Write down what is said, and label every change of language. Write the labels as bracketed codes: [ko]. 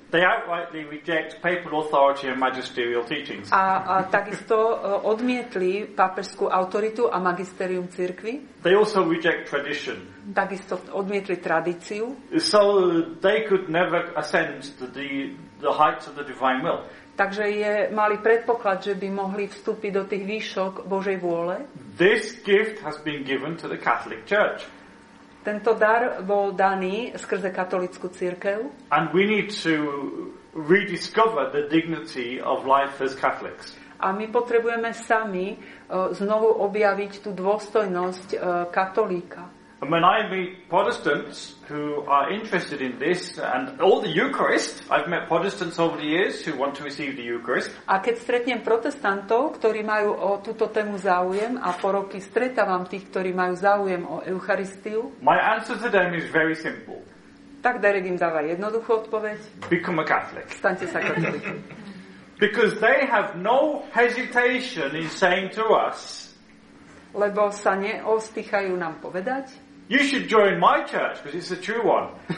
[en] They outrightly reject papal authority and magisterial teachings. [sk] A takisto odmietli pápežskú autoritu a magisterium cirkvi. [en] They also reject tradition. [sk] Takisto odmietli tradíciu. [en] So they could never ascend to the heights of the divine will. [sk] Takže je mali predpoklad, že by mohli vstúpiť do tých výšok Božej vôle. [en] This gift has been given to the Catholic Church. [sk] Tento dar bol daný skrze katolickú cirkev. [en] And we need to rediscover the dignity of life as Catholics. [sk] A my potrebujeme sami znovu objaviť tú dôstojnosť katolíka. [en] And when I meet Protestants who are interested in this and all the Eucharist, I've met Protestants over the years who want to receive the Eucharist. [sk] A keď stretnem protestantov, ktorí majú o túto tému záujem a po roky stretávam tých, ktorí majú záujem o Eucharistiu. [en] My answer to them is very simple. [sk] Tak Derek im dáva jednoduchú odpoveď. [en] Become a Catholic. [sk] Staňte sa katolíkmi. [en] Because they have no hesitation in saying to us, [sk] lebo sa neostýchajú nám povedať, [en] you should join my church because it's a true one.